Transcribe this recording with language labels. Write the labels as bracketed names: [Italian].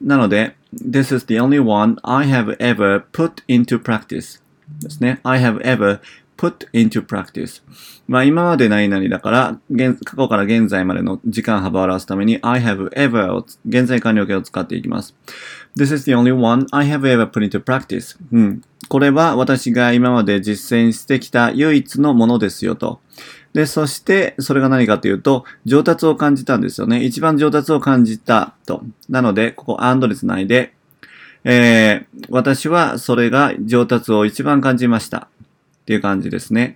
[Japanese] なので、 [English] this is the only one I have ever put into practice [Japanese] ですね。 [English] I have ever put into practice。 [Japanese] まあ、今まで何々だから、過去から現在までの時間幅を表すために [English] I have ever [Japanese] を現在完了形を使っていきます。 [English] This is the only one I have ever put into practice。うん。 [Japanese] これは私が今まで実践してきた唯一のものですよと。で、そしてそれが何かというと上達を感じたんですよね。一番上達を感じたと。なのでここアンドレスないで、私はそれが上達を一番感じましたっていう感じですね。